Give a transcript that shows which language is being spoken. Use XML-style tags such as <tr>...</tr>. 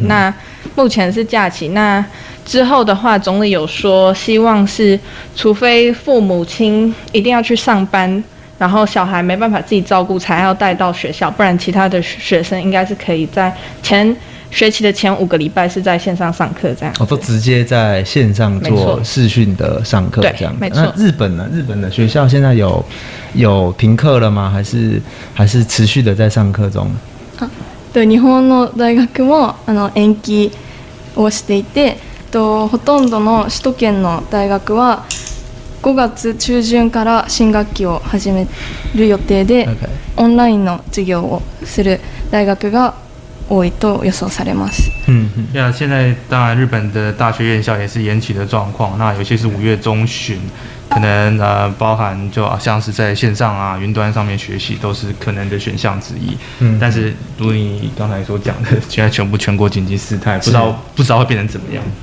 <zh>那目前是假期，那之后的话总理有说希望是除非父母亲一定要去上班，然后小孩没办法自己照顾才要带到学校，不然其他的学生应该是可以在前学期的前5个礼拜是在线上上课这样子。哦，都直接在线上做视讯的上课这样子。对，没错。那日本的学校现在有停课了吗？还是持续的在上课中？</zh> <ja>对，日本の大学も延期をしていて、ほとんどの首都圏の大学は5月中旬から新学期を始める予定で、オンラインの授業をする大学が多いと予想されます。</ja> <zh>现在当然日本的大学院校也是延期的状况，那有些是5月中旬，可能包含就像是在线上啊、云端上面学习都是可能的选项之一。但是如你刚才所讲的，现在全国紧急事态，不知道会变成怎么样。</zh>